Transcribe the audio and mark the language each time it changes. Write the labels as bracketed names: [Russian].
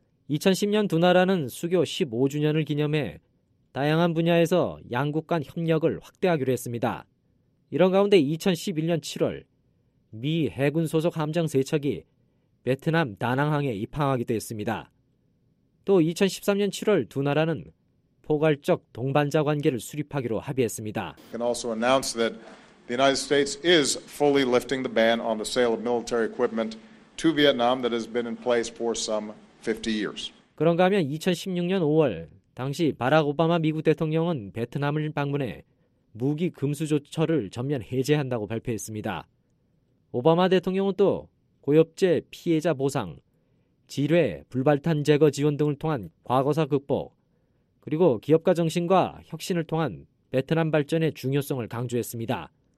[Korean] 2010년 두 나라는 수교 15주년을 기념해 다양한 분야에서 양국 간 협력을 확대하기로 했습니다. 이런 가운데 2011년 7월 미 해군 소속 함정 세척이 베트남 다낭항에 입항하기도 했습니다. 또 2013년 7월 두 나라는 포괄적 동반자 관계를 수립하기로 합의했습니다. [English] Can also announce that the United States is fully lifting the ban on the sale of military equipment to Vietnam that has been in place for some 50 years. [Korean] 그런가 하면 2016년 5월 당시 바락 오바마 미국 대통령은 베트남을 방문해 무기 금수 조처를 전면 해제한다고 발표했습니다. 오바마 대통령은 또 고엽제 피해자 보상, 지뢰, 불발탄 제거 지원 등을 통한 과거사 극복, 그리고 기업가 정신과 혁신을 통한 베트남 발전의 중요성을 강조했습니다.